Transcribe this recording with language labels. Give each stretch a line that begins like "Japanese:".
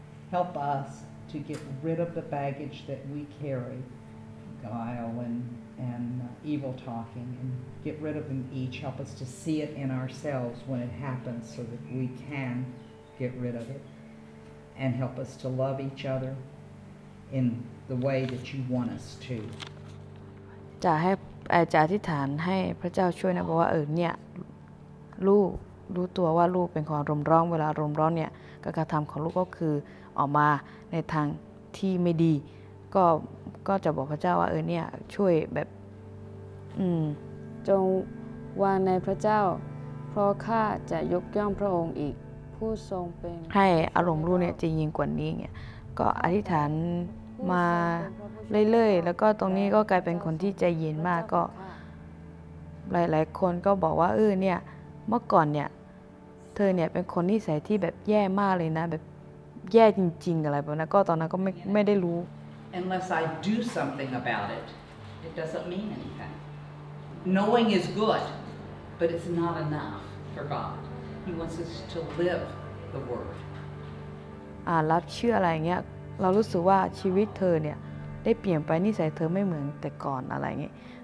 English: Help us to get rid of the baggage that we carry, guile and evil talking, and get rid of them each. Help us to see it in ourselves when it happens so that we can get rid of it. And help us to love each other in the way that you want us to.
Thai: จะให้จะอธิษฐานให้พระเจ้าช่วยนะบอกว่าเนี่ยลูกรู้ตัวว่าลูกเป็นคนอารมณ์ร้อนเวลาอารมณ์ร้อนเนี่ยการกระทำของลูกก็คือออกมาในทางที่ไม่ดีก็จะบอกพระเจ้าว่าเนี่ยช่วยแบบ จงวางในพระเจ้าเพราะข้าจะยกย่องพระองค์อีกผู้ทรงเป็น ให้อารมณ์ลูกเนี่ยจริงยิ่งกว่านี้เนี่ยก็อธิษฐานมาเรื่อยๆแล้วก็ตรงนี้ก็กลายเป็นคนที่ใจเย็นมากก็หลายๆคนก็บอกว่าเนี่ยเมื่อก่อนเนี่ยเธอเนี่ยเป็นคนนิสัยที่แบบแย่มากเลยนะแบบแย่จริงๆอะไรแบบนั้นก็ตอนนั้นก็ไม่ได้รู้
English: Unless I do something about it, it doesn't mean anything. Knowing is good, but it's not enough for God. He wants us to live the word.
Thai: รับเชื่ออะไรเงี้ยเรารู้สึกว่าชีวิตเธอเนี่ยได้เปลี่ยนไปนิสัยเธอไม่เหมือนแต่ก่อนอะไรเงี้ย